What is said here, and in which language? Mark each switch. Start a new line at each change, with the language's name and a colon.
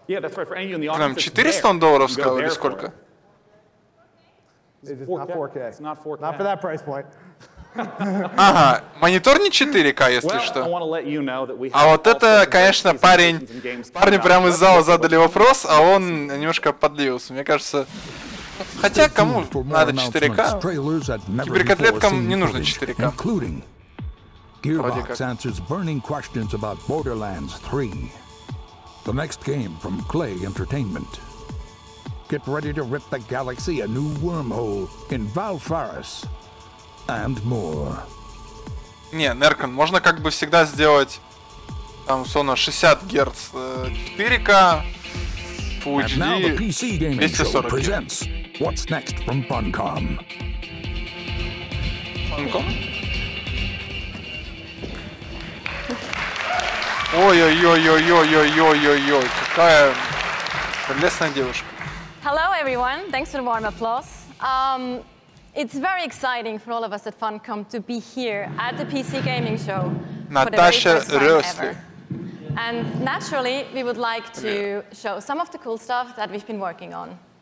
English: Yeah, that's right. For any of you in the audience,
Russian: $400 сказал или сколько?
English: It's not 4K. Not for that price point.
Russian: Ага, монитор не 4К, если что. А вот это, конечно, парни прямо из зала задали вопрос, а он немножко подлился. Мне кажется, хотя кому надо 4К? Киберкотлеткам не нужно 4К.
English: Gearbox answers burning questions about Borderlands 3, the next game from Clay Entertainment. Get ready to rip the galaxy a new wormhole in Valfaris and more.
Russian: Не, Неркон, можно как бы всегда сделать там условно 60 Гц 4К, Full HD, 240 Гц.
English: What's next from Funcom? Funcom?
Russian: Ой-ой-ой-ой-ой-ой-ой-ой-ой, какая прелестная девушка.
English: Hello, everyone. Thanks for the warm applause. It's very exciting for all of us at Funcom to be here at the PC Gaming Show Natasha for the biggest time ever. And naturally, we would like to show some of the cool stuff that we've been working on.